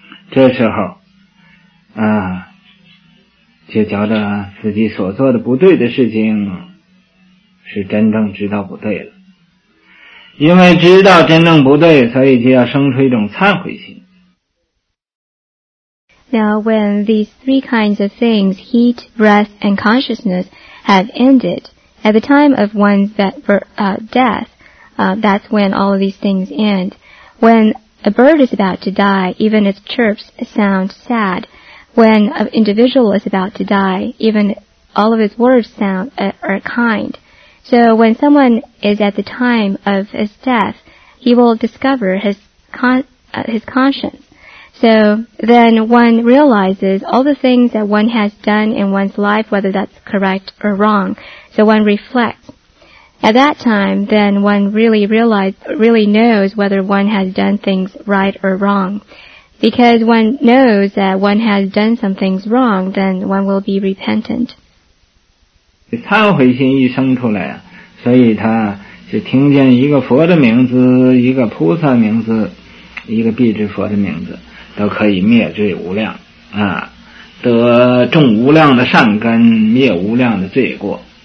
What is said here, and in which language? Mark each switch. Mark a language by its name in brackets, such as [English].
[Chinese] 这时候啊，就觉得自己所做的不对的事情是真正知道不对了，因为知道真正不对，所以就要生出一种忏悔心。 [English] Now when these three kinds of things, heat, breath, and consciousness have ended, at the time of one's death, that's when all of these things end. When a bird is about to die, even its chirps sound sad. When an individual is about to die, even all of his words sound, are kind. So when someone is at the time of his death, he will discover his conscience. So then one realizes all the things that one has done in one's life, whether that's correct or wrong. So one reflects. At that time, then one really knows whether one has done things right or wrong. Because one knows that one has done some things wrong, then one will be repentant. [Chinese] 忏悔心一生出来，所以他就听见一个佛的名字，一个菩萨名字，一个必知佛的名字，都可以灭罪无量，得种无量的善根，灭无量的罪过。